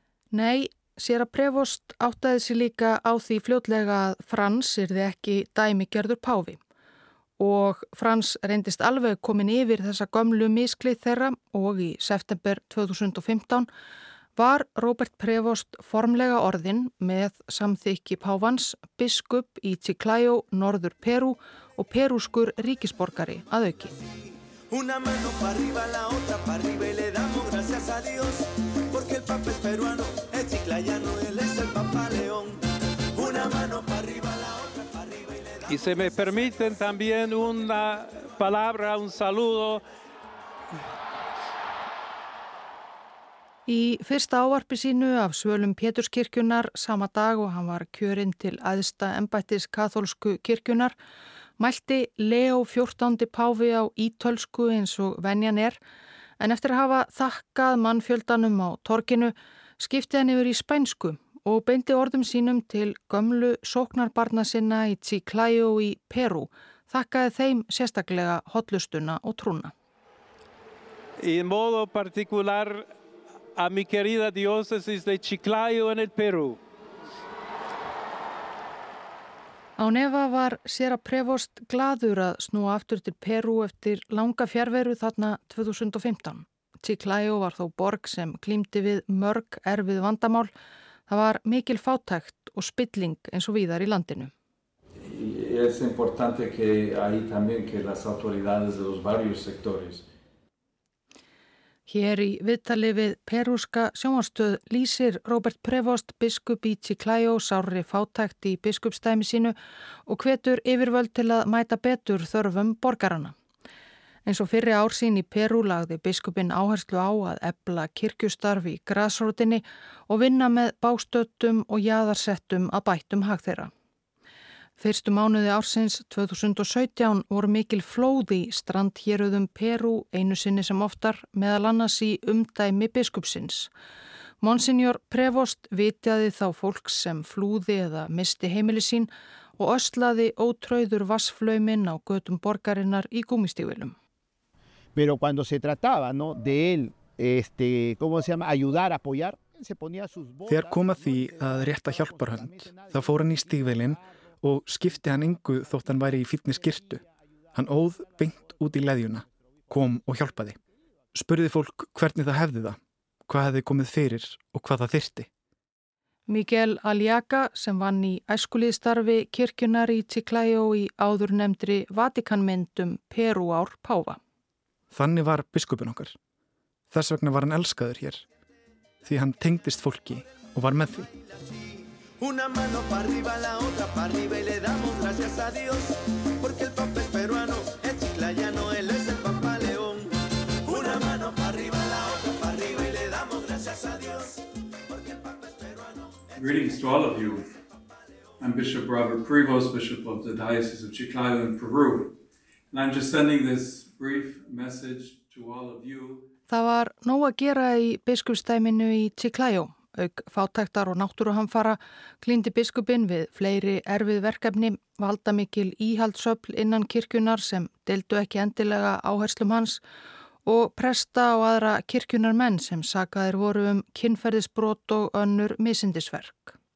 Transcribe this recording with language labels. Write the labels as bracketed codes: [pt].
[is] Nei, Séra Prevost áttaði sig líka á því fljótlega að Frans yrði ekki dæmigerður páfi og Frans reyndist alveg komin yfir þessa gömlu misklið þeirra og í september 2015 var Robert Prevost formlega orðin með samþykki páfans, biskup í Chiclayo, norður Perú og perúskur ríkisborgari að auki. [es] Una mano para arriba, la otra para arriba y le damos gracias a Dios porque el papa es peruano. Y se me permiten también una palabra, un saludo. [is] Í fyrsta ávarpi sínu af svölum Péturskirkjunar sama dag og hann var kjörinn til æðsta embættis kaþólsku kirkjunar mælti Leo 14. páfi á ítölsku eins og venjan er en eftir að hafa þakkað mannfjöldanum á torginu skipti hann yfir í spænsku og beindi orðum sínum til gömlu sóknarbarna sinna í Chiclayo í Perú, þakkaði þeim sérstaklega hollustuna og trúna. [es] Í modo particular a mi querida diócesis de Chiclayo en el Perú. [is] Á nefa var séra Prevost glaður að snúa aftur til Perú eftir langa fjarveru þarna 2015. Chiclayo var þó borg sem klímdi við mörg erfið vandamál. Það var mikil fátækt og spilling eins og víðar í landinu. [es] Es importante que ahí también que las autoridades de los varios sectores. [is] Hér í viðtali við perúska sjónvarpsstöð lýsir Robert Prevost biskup í Chiclayo sárri fátækt í biskupsdæmi sínu og hvetur yfirvöld til að mæta betur þörfum borgarana. Eins og fyrri ár sín í Perú lagði biskupin áherslu á að efla kirkjustarf í grasrótinni og vinna með bástöttum og jaðarsettum að bættum hag þeirra. Fyrstu mánuði ársins 2017 voru mikil flóði strand hér um Perú einu sinni sem oftar meðal annars í umdæmi biskupsins. Monsignor Prevost vitjaði þá fólk sem flúði eða misti heimili sín og öslaði ótröður vassflauminn á götum borgarinnar í gúmistígvélum. [es] Pero cuando se trataba, ¿no?, de él, ¿cómo se llama?, ayudar, apoyar, se ponía sus botas. [is] Þegar kom að því að rétta hjálparhönd, þá fór hann í stígvélin og skipti hann engu þótt hann væri í fínni skyrtu. Hann óð beint út í leðjuna, kom og hjálpaði. Spurði fólk hvernig það hefði það, hvað hefði komið fyrir og hvað það þyrti. Miguel Aliaga, sem vann í æskulíðstarfi kirkjunar í Chiclayo í áður nefndri Vatikanmyndum Perúár Páfa. Þannig var biskupin okkar. Þess vegna var hann elskaður hér, því hann tengdist fólki og var með því. [es] Una mano para arriba, la otra para arriba y le damos gracias a Dios porque el papa es peruano, el chiclayano, él es el papa león. Una mano para arriba, la otra para arriba y le damos gracias a Dios porque el papa es peruano. [en] Greetings to all of you. I'm Bishop Robert Prevost, Bishop of the Diocese of Chiclayo in Peru, and I'm just sending this brief message to all of you. [is] Það var nóg að gera í biskupsdæminu í Chiclayo. Auk fátæktar og náttúruhamfara klíndi biskupinn við fleiri erfið verkefni, valda mikil íhaldsöfl innan kirkjunar sem deildu ekki endilega áherslum hans og presta á aðra kirkjunar menn sem sakaðir voru kynferðisbrot og önnur misindisverk.